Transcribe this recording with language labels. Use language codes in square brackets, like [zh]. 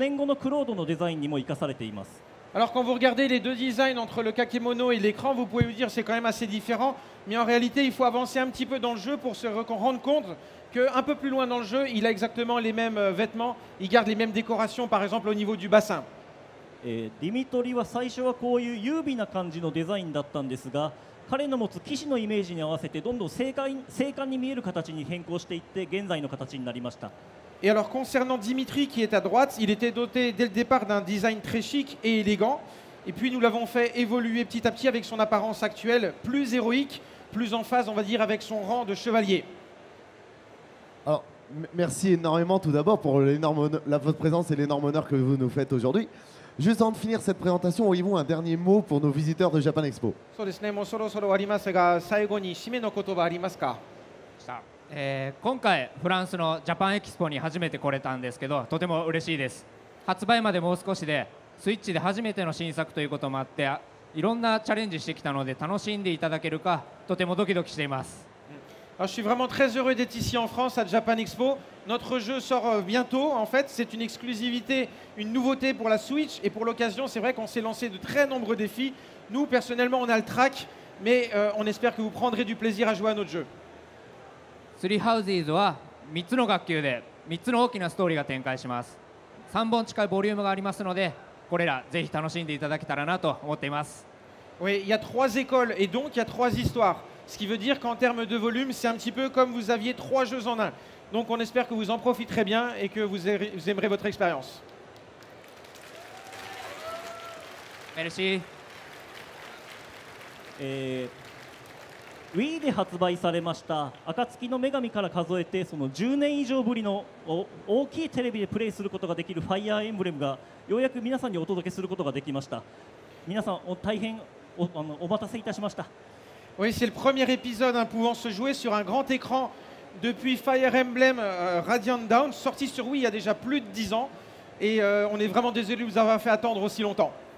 [fr] Alors quand vous regardez les deux designs entre le kakemono et l'écran, vous pouvez vous dire que c'est quand même assez différent. Mais en réalité, il faut avancer un petit peu dans le jeu pour se rendre compte qu'un peu plus loin dans le jeu, il a exactement les mêmes vêtements, il garde les mêmes décorations, par exemple au niveau du bassin. [ja] Dimitri は最初はこういう優美な感じのデザインだったんですが、彼の持つ騎士のイメージに合わせてどんどん精悍に見える形に変更していって現在の形になりました。 [fr] Et alors concernant Dimitri qui est à droite, il était doté dès le départ d'un design très chic et élégant, et puis nous l'avons fait évoluer petit à petit avec son apparence actuelle, plus héroïque, plus en phase, on va dire, avec son rang de chevalier. Alors, merci énormément tout d'abord pour votre présence et l'énorme honneur que vous nous faites aujourd'hui. Juste avant de finir cette présentation, auriez-vous un dernier mot pour nos visiteurs de Japan Expo ? [ja] そうですね、もうそろそろ終わりますが、最後に締めの言葉ありますか？さあ、今回フランスのジャパンエキスポに初めて来れたんですけど、とても嬉しいです。発売までもう少しで、スイッチで初めての新作ということもあって、いろんなチャレンジしてきたので楽しんでいただけるか、とてもドキドキしています。 [fr] Alors, je suis vraiment très heureux d'être ici en France à Japan Expo. Notre jeu sort bientôt, en fait. C'est une exclusivité, une nouveauté pour la Switch. Et pour l'occasion, c'est vrai qu'on s'est lancé de très nombreux défis. Nous, personnellement, on a le track, mais on espère que vous prendrez du plaisir à jouer à notre jeu. [ja] Three Houses は3つの学級で3つの大きなストーリーが展開します。 3本近いボリュームがありますので、これらぜひ楽しんでいただけたらなと思っています。 [fr] Oui, il y a trois écoles et donc il y a trois histoires. Ce qui veut dire qu'en termes de volume, c'est un petit peu comme vous aviez trois jeux en un. Donc on espère que vous en profiterez bien et que vous aimerez votre expérience. Merci. [ja] Wii で発売されました暁の女神から数えてその10年以上ぶりの大きいテレビでプレイすることができるファイアーエンブレムがようやく皆さんにお届けすることができました。皆さん大変お待たせいたしました。 [fr] Oui, c'est le premier épisode hein, pouvant se jouer sur un grand écran depuis Fire Emblem Radiant Dawn, sorti sur Wii il y a déjà plus de 10 ans. Et on est vraiment désolé de vous avoir fait attendre aussi longtemps.